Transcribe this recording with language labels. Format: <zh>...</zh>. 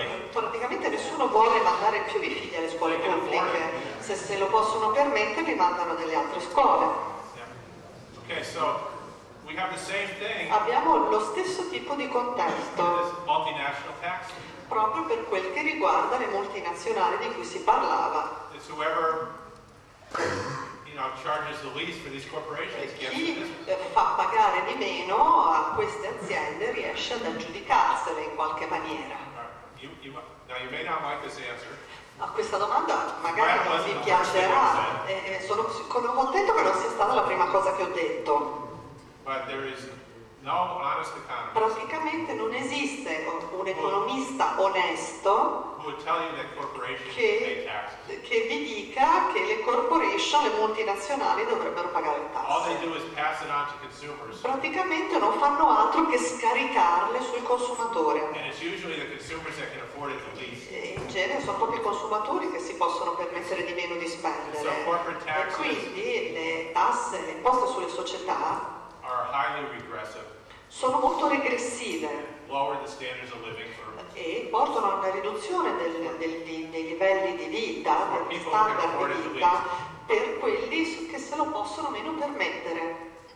<it>Praticamente nessuno vuole mandare più i figli alle scuole pubbliche. Se lo possono permettere, li mandano nelle altre scuole.</it> <en>Okay, so we have the same thing.</en> <it>Abbiamo lo stesso tipo di contesto.</it> <en>Multinational tax.</en> <it>Proprio per quel che riguarda le multinazionali di cui si parlava.</it> <en>It's whoever, you know, charges the least for these corporations.</en> <it>Chi fa pagare di meno a queste aziende riesce ad aggiudicarsele in qualche maniera.</it> <en>You may not like this answer.</en> <it>A questa domanda magari non vi piacerà. Sono contento che non sia stata la prima cosa che ho detto.</it> <en>But there is no honest economist.</en> <it>Praticamente non esiste un economista onesto che vi dica che le corporation, le multinazionali dovrebbero pagare le tasse.</it> <en>All they do is pass it on to consumers.</en> <it>Praticamente non fanno altro che scaricarle sul consumatore.</it> <en>And it's usually the consumers that can afford it the least.</en> <it>In genere sono proprio i consumatori che si possono permettere di meno di spendere.</it> <en>So corporate taxes,</en> <it>e quindi le tasse, le imposte sulle società</it> <en>are highly regressive.</en> <it>Sono molto regressive.</it> <en>Lower the standards of living for,</en> <it>e portano a una riduzione dei livelli di vita, degli standard di vita, per quelli che se lo possono meno permettere.</it>